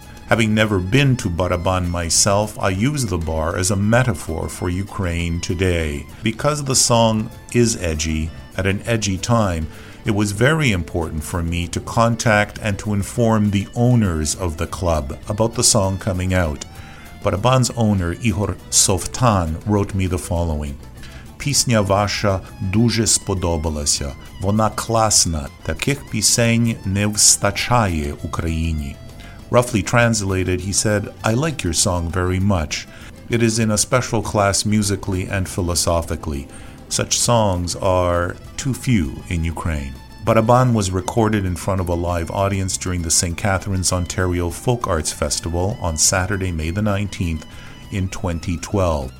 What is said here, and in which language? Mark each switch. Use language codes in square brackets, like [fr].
[en] Having never been to Baraban myself, I use the bar as a metaphor for Ukraine today. Because the song is edgy, at an edgy time, it was very important for me to contact and to inform the owners of the club about the song coming out. Baraban's owner, Ihor Sovtan, wrote me the following. [uk] Пісня ваша дуже сподобалася. Вона класна. Таких пісень не вистачає Україні. [en] Roughly translated, he said, I like your song very much. It is in a special class musically and philosophically. Such songs are too few in Ukraine. Baraban was recorded in front of a live audience during the St. Catharines, Ontario Folk Arts Festival on Saturday, May the 19th in 2012.